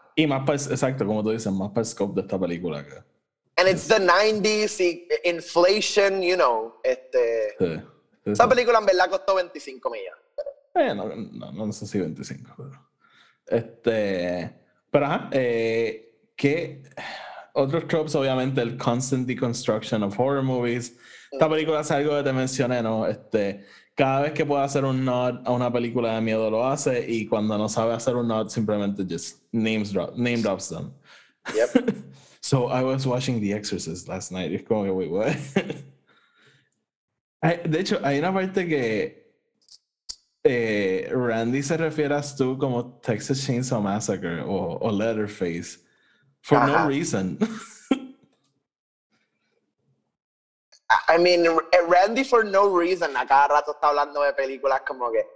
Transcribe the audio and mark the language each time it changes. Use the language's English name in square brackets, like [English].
[Spanish] Y más para, exacto, como tú dices, más para el scope de esta película. Que, [English] and it's the 90s, inflation, you know. [Spanish] Sí, esa película en verdad costó 25 millones. Pero... No sé si 25, pero... Pero ajá, ¿qué? Otros tropes, obviamente, el [English] constant deconstruction of horror movies. [Spanish] Esta película es algo que te mencioné, ¿no? Cada vez que puede hacer un nod a una película de miedo, lo hace. Y cuando no sabe hacer un nod, simplemente [English] just name drops them. Yep. So, I was watching The Exorcist last night. [Spanish] Es como que, [English] wait, what? [Spanish] De hecho, hay una parte que... Randy se refiere a Stu como Texas Chainsaw Massacre o Leatherface. [English] For no reason. I mean, [Spanish] Randy [English] for no reason [Spanish] a cada rato está hablando de películas como que...